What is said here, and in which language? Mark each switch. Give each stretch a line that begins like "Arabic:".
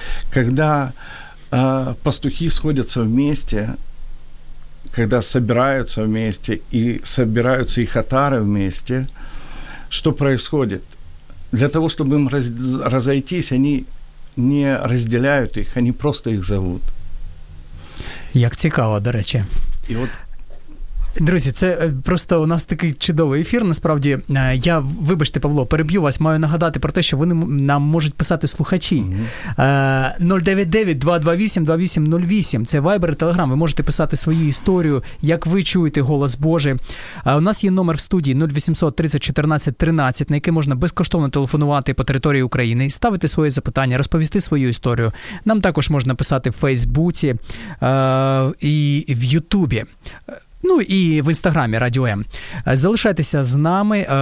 Russian: Когда пастухи сходятся вместе, когда собираются вместе и собираются их отары вместе, что происходит? Для того, чтобы им разойтись, они не разделяют их, они просто их зовут.
Ukrainian: Як цікаво, до речі.
Russian: И вот
Ukrainian: Друзі, це просто у нас такий чудовий ефір. Насправді, я, вибачте, Павло, переб'ю вас, маю нагадати про те, що вони нам можуть писати слухачі. 099-228-2808. Це Viber і Telegram. Ви можете писати свою історію, як ви чуєте голос Божий. У нас є номер в студії 0800-30-14-13, на який можна безкоштовно телефонувати по території України, ставити своє запитання, розповісти свою історію. Нам також можна писати в Фейсбуці і в Ютубі. Ну і в інстаграмі Радіо М. Залишайтеся з нами.